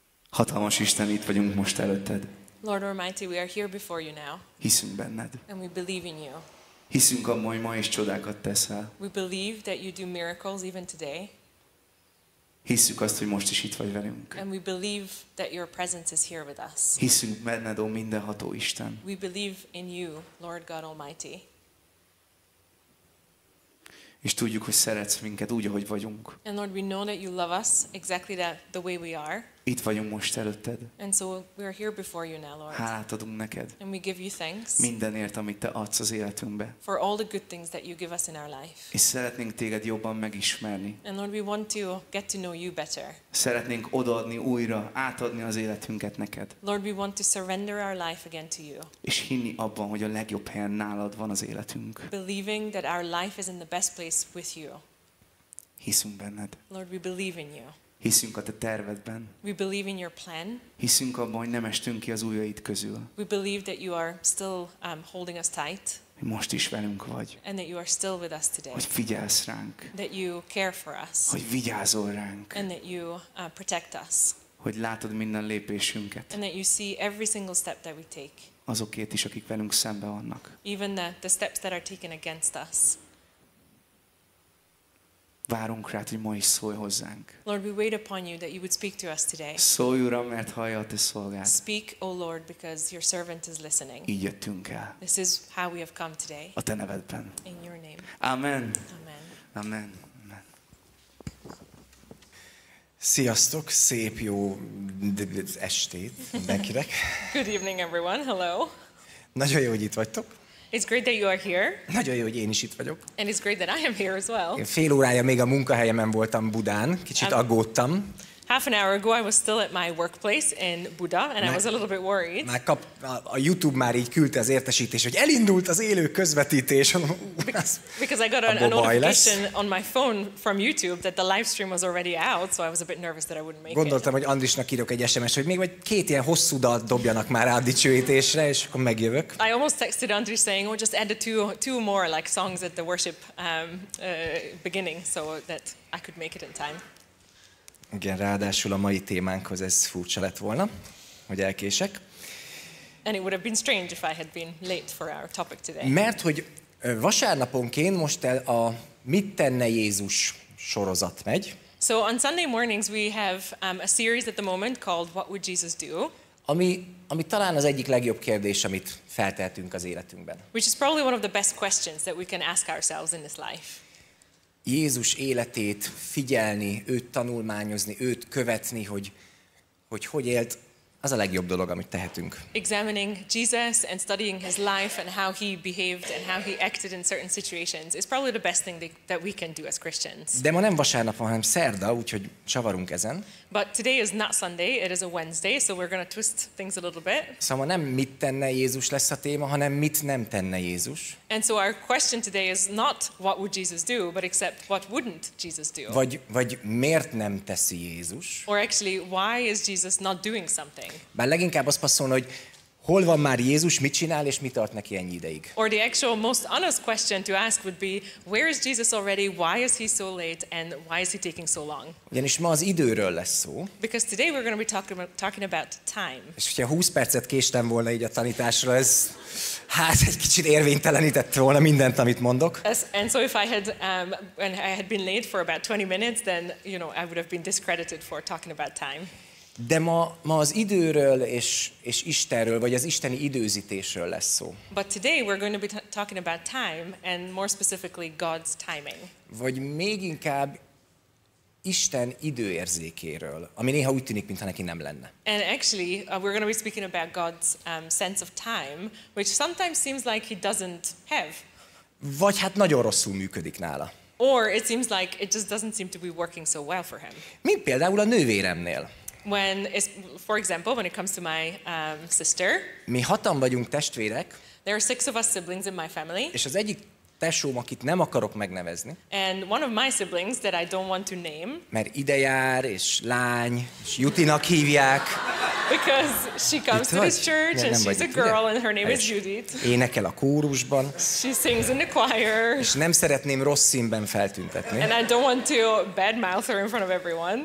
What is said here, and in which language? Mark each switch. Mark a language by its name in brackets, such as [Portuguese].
[Hungarian] hatalmas Isten, itt vagyunk most előtted. [English] Lord Almighty, we are here before you now. [Hungarian] Hiszünk benned. [English] And we believe in you. [Hungarian] Hiszünk abban, hogy ma is csodákat teszel. [English] We believe that you do miracles even today. [Hungarian] Hiszünk azt, hogy most is itt vagy velünk. [English] And we believe that your presence is here with us. [Hungarian] Hiszünk benned, ó mindenható Isten. [English] We believe in you, Lord God Almighty. [Hungarian] És tudjuk, hogy szeretsz minket úgy, ahogy vagyunk. [English] And Lord, we know that you love us exactly that, the way we are. [Hungarian] Itt vagyunk most előtted. [English] And so we are here before you now, Lord. [Hungarian] Hálát adunk neked. [English] And we give you thanks. [Hungarian] Mindenért, amit te adsz az életünkbe. [English] For all the good things that you give us in our life. [Hungarian] És szeretnénk téged jobban megismerni. [English] And Lord, we want to get to know you better. [Hungarian] Szeretnénk odaadni újra, átadni az életünket neked. [English] Lord, we want to surrender our life again to you. [Hungarian] És hinni abban, hogy a legjobb helyen nálad van az életünk. [English] Believing that our life is in the best place with you. [Hungarian] Hiszünk benned. [English] Lord, we believe in you. [Hungarian] Hiszünk a te tervedben. [English] We believe in your plan. [Hungarian] Hiszünk abban, hogy nem estünk ki az ujjaid közül. [English] We believe that you are still holding us tight. [Hungarian] Most is velünk vagy. [English] And that you are still with us today. [Hungarian] Hogy figyelsz ránk. [English] That you care for us. [Hungarian] Hogy vigyázol ránk. [English] And that you protect us. [Hungarian] Hogy látod minden lépésünket. [English] And that you see every single step that we take. [Hungarian] Azokért is, akik velünk szemben vannak. [English] Even the steps that are taken against us. [Hungarian] Várunk rá, hogy ma is szólj hozzánk. [English] Lord, we wait upon you that you would speak to us today. [Hungarian] Szólj, Uram, mert hallja a te szolgád. [English] Speak, O Lord, because your servant is listening. [Hungarian] Így jöttünk el. [English] This is how we have come today. [Hungarian] A te nevedben. [English] In your name. Amen. Amen. Amen. Amen. [Hungarian] Sziasztok, szép jó estét mindenkinek. [English] Good evening, everyone. Hello. [Hungarian] Nagyon jó, hogy itt vagytok. [English] It's great that you are here. [Hungarian] Nagyon jó, hogy én is itt vagyok. [English] And it's great that I am here as well. [Hungarian] Én fél órája még a munkahelyemen voltam Budán, kicsit aggódtam. [English] Half an hour ago I was still at my workplace in Buda and I was a little bit worried. [Hungarian] A YouTube már így küldte az értesítést, hogy elindult az élő közvetítés. [English] Because I got a notification on my phone from YouTube that the live stream was already out, so I was a bit nervous that I wouldn't make it. [Hungarian] Gondoltam, hogy Andrisnak írok egy SMS-t, hogy még vagy két ilyen hosszú dalt dobjanak már rá a dicsőítésre, és akkor megjövök. [English] I almost texted Andris saying, "Oh, just add two more like songs at the worship beginning so that I could make it in time." [Hungarian] Igen, ráadásul a mai témánkhoz ez furcsa lett volna, hogy elkések. [English] And it would have been strange if I had been late for our topic today. [Hungarian] Mert hogy vasárnaponként most a Mit tenne Jézus sorozat megy. [English] So on Sunday mornings we have a series at the moment called What Would Jesus Do? [Hungarian] Ami talán az egyik legjobb kérdés, amit feltehetünk az életünkben. [English] Which is probably one of the best questions that we can ask ourselves in this life. [Hungarian] Jézus életét figyelni, őt tanulmányozni, őt követni, hogy élt, az a legjobb dolog, amit tehetünk. [English] Examining Jesus and studying his life and how he behaved and how he acted in certain situations is probably the best thing that we can do as Christians. [Hungarian] De ma nem vasárnap, hanem szerda, úgyhogy csavarunk ezen. [English] But today is not Sunday, it is a Wednesday, so we're going to twist things a little bit. [Hungarian] Szóval nem mit tenne Jézus lesz a téma, hanem mit nem tenne Jézus. [English] And so our question today is not what would Jesus do, but except what wouldn't Jesus do. [Hungarian] Vagy miért nem teszi Jézus. [English] Or actually, why is Jesus not doing something? [Hungarian] Bár leginkább azt passzolna, hogy hol van már Jézus, mit csinál, és mi tart neki ennyi ideig. [English] Or the actual most honest question to ask would be, where is Jesus already, why is he so late, and why is he taking so long? [Hungarian] Ugyanis ma az időről lesz szó. [English] Because today we're going to be talking about time. [Hungarian] És hogyha 20 percet késtem volna így a tanításra, ez hát egy kicsit érvénytelenített volna mindent, amit mondok. [English] And so if I had and I had been late for about 20 minutes, then you know I would have been discredited for talking about time. [Hungarian] De ma az időről és Istenről, vagy az isteni időzítésről lesz szó. [English] But today we're going to be talking about time and more specifically God's timing. [Hungarian] Vagy még inkább Isten időérzékéről, ami néha úgy tűnik, mintha neki nem lenne. [English] And actually we're going to be speaking about God's sense of time, which sometimes seems like he doesn't have. [Hungarian] Vagy hát nagyon rosszul működik nála. [English] Or it seems like it just doesn't seem to be working so well for him. [Hungarian] Mi például a nővéremnél? [English] When is, for example, when it comes to my sister. [Hungarian] Mi hatan vagyunk testvérek. [English] There are six of us siblings in my family. [Hungarian] És az egyik tesóm, akit nem akarok megnevezni. [English] And one of my siblings that I don't want to name. [Hungarian] Mert ide jár, és lány, és Jutinak hívják. [English] Because she comes to this church and she's a girl and her name is Judith. [Hungarian] Énekel a kórusban. [English] She sings in the choir. [Hungarian] És nem szeretném rossz színben feltüntetni. [English] And I don't want to badmouth her in front of everyone.